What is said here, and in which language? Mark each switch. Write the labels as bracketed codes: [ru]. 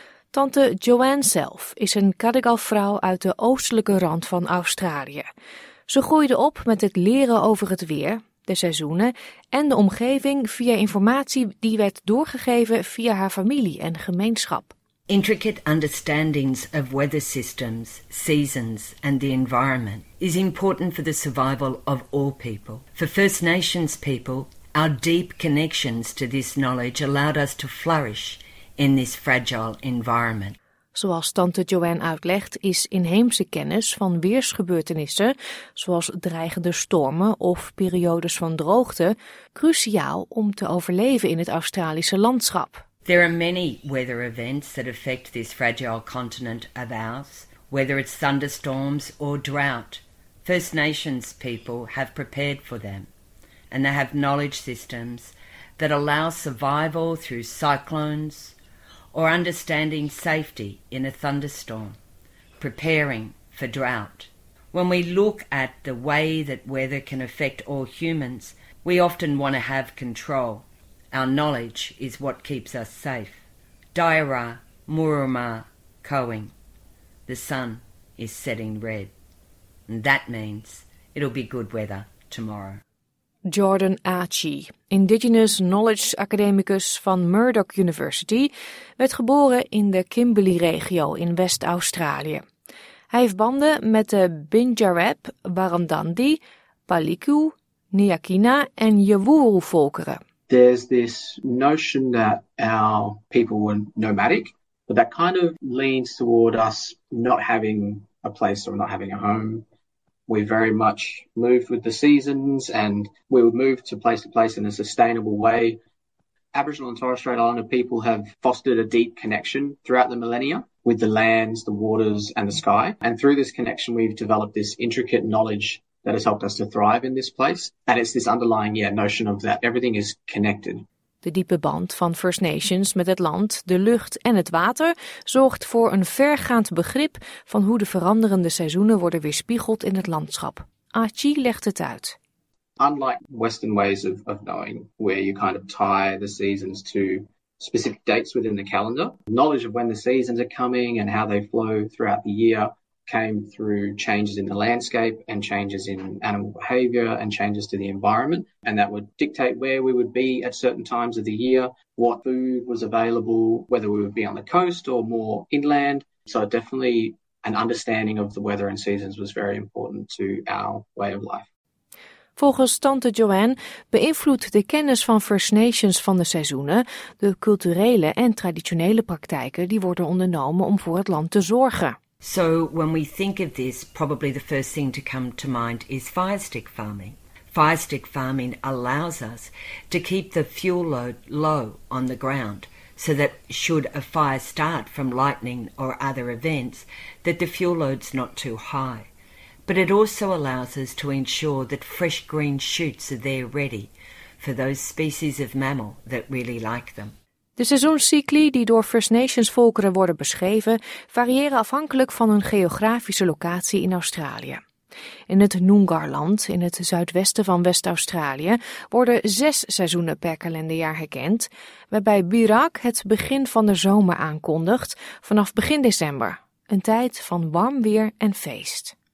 [nl] Tante Joanne zelf is een Gadigal-vrouw uit de oostelijke rand van Australië. Ze groeide op met het leren over het weer, de seizoenen en de omgeving via informatie die werd doorgegeven via haar familie en gemeenschap. [en] Intricate understandings of weather systems, seasons and the environment is important for the survival of all people. For First Nations people, our deep connections to this knowledge allowed us to flourish in this fragile environment. [nl] Zoals tante Joanne uitlegt, is inheemse kennis van weersgebeurtenissen, zoals dreigende stormen of periodes van droogte, cruciaal om te overleven in het Australische landschap. [en] There are many weather events that affect this fragile continent of ours, whether it's thunderstorms or drought. First Nations people have prepared for them, and they have knowledge systems that allow survival through cyclones or understanding safety in a thunderstorm, preparing for drought. When we look at the way that weather can affect all humans, we often want to have control. Our knowledge is what keeps us safe. Daira Muruma Koing. The sun is setting red. And that means it'll be good weather tomorrow. [nl] Jordan Achi, Indigenous Knowledge Academicus van Murdoch University, werd geboren in de Kimberley-regio in West-Australië. Hij heeft banden met de Binjareb, Barandandi, Palikku, Niakina en Yawuru-volkeren. [en] There's this notion that our people were nomadic, but that kind of leans toward us not having a place or not having a home. We very much moved with the seasons and we would move to place in a sustainable way. Aboriginal and Torres Strait Islander people have fostered a deep connection throughout the millennia with the lands, the waters and the sky. And through this connection, we've developed this intricate knowledge that has helped us to thrive in this place. And it's this underlying notion of that everything is connected. [nl] De diepe band van First Nations met het land, de lucht en het water zorgt voor een vergaand begrip van hoe de veranderende seizoenen worden weerspiegeld in het landschap. Achi legt het uit. [en] Unlike Western ways of knowing, where you kind of tie the seasons to specific dates within the calendar, knowledge of when the seasons are coming and how they flow throughout the year came through changes in the landscape and changes in animal behavior and changes to the environment. And that would dictate where we would be at certain times of the year, what food was available, whether we would be on the coast or more inland. So definitely an understanding of the weather and seasons was very important to our way of life. [nl] Volgens tante Joanne beïnvloedt de kennis van First Nations van de seizoenen de culturele en traditionele praktijken die worden ondernomen om voor het land te zorgen. [en] So when we think of this, probably the first thing to come to mind is firestick farming. Firestick farming allows us to keep the fuel load low on the ground so that should a fire start from lightning or other events, that the fuel load's not too high. But it also allows us to ensure that fresh green shoots are there ready for those species of mammal that really like them. [nl] De seizoenscycli die door First Nations volkeren worden beschreven, variëren afhankelijk van hun geografische locatie in Australië. In het Noongar-land, in het zuidwesten van West-Australië, worden 6 seizoenen per kalenderjaar herkend, waarbij Birak het begin van de zomer aankondigt vanaf begin december, een tijd van warm weer en feest.